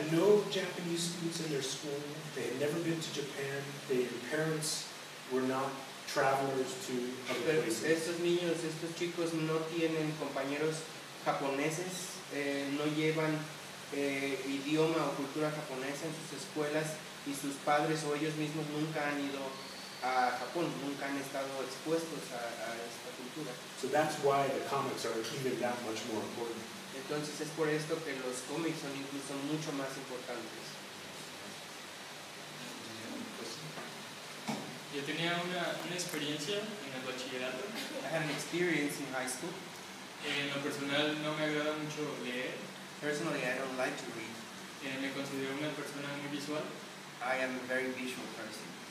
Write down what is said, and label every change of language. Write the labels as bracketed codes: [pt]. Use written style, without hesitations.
[en] no Japanese students in their school. They had never been to Japan. Their parents were not travelers to other places. [es] Estos niños, estos chicos no tienen compañeros japoneses, no llevan idioma o cultura japonesa en sus escuelas, y sus padres o ellos mismos nunca han ido a Japón, nunca han estado expuestos a esta cultura. [en] So that's why the comics are even that much more important. [es] Entonces es por esto que los cómics son incluso mucho más importantes. Yo tenía una experiencia en el bachillerato. [en] I had an experience in high school. [es] En lo personal no me agrada mucho leer. [en] Personally, I don't like to read. [es] Me considero una persona muy visual. [en] I am a very visual person.